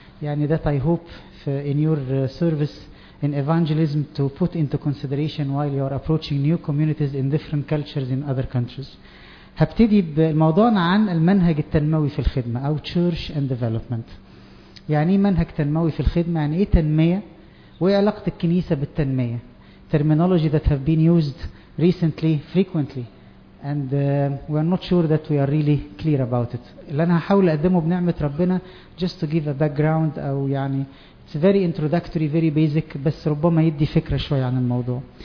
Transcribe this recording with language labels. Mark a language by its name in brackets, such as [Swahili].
[English] يعني that I hope in your service in evangelism to put into consideration while you are approaching new communities in different cultures in other countries. [Arabic] هبتدي بالموضوع عن المنهج التنموي في الخدمة أو [English] church and development. [Arabic] يعني منهج تنموي في الخدمة، يعني إيه تنمية وإيه علاقة الكنيسة بالتنمية. [English] Terminology that have been used recently frequently and we are not sure that we are really clear about it. [Arabic] اللي انا هحاول اقدمه بنعمه ربنا [English] just to give a background [Arabic] او يعني [English] it's very introductory very basic [Arabic] بس ربما يدي فكره شويه عن الموضوع.